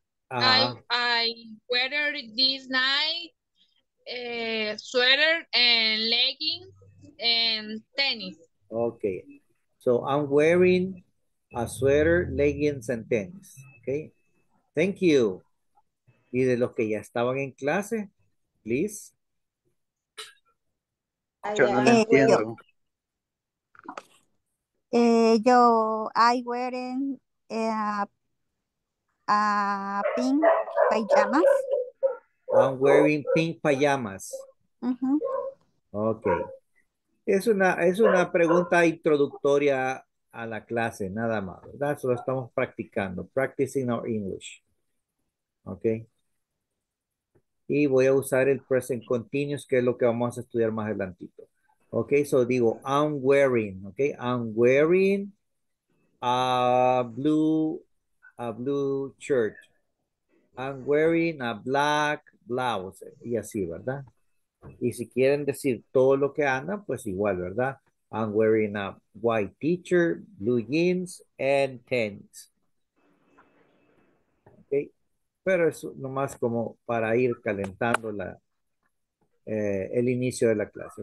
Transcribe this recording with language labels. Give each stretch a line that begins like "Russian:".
English: I wear this night sweater and leggings and tennis. Okay, so I'm wearing a sweater, leggings, and tennis. Okay, thank you.
Spanish: Y de los que ya estaban en clase,
English: please.
Spanish: Yo no lo entiendo.
English: I wearing a pink pajamas. I'm wearing pink pajamas. Okay.
Spanish: Es una pregunta introductoria a la clase, nada más, ¿verdad? Solo estamos practicando,
English: practicing our English.
Spanish: ¿Ok? Y voy a usar el present continuous, que es lo que vamos a estudiar más adelantito.
English: ¿Ok? So digo, I'm wearing, ¿ok? I'm wearing a blue shirt. I'm wearing a black blouse.
Spanish: Y así, ¿verdad? Y si quieren decir todo lo que andan, pues igual, ¿verdad?
English: I'm wearing a white t-shirt, blue jeans, and tennis. Okay.
Spanish: Pero es nomás como para ir calentando el inicio de la clase.